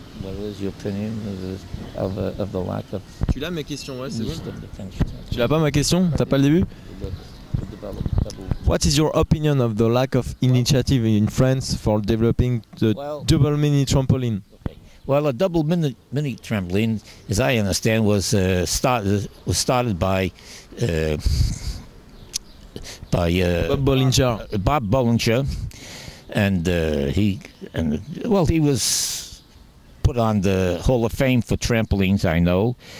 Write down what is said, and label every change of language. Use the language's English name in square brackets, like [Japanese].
[English] What is your opinion of the lack of... [French] Tu l'as ma question, ouais, c'est bon. Tu l'as pas ma question? T'as pas le début? [English] What is your opinion of the lack of initiative in France for developing the double mini trampoline? Well, a double mini trampoline, as I understand, was started by Bob Bollinger, and he was put on the Hall of Fame for trampolines, I know.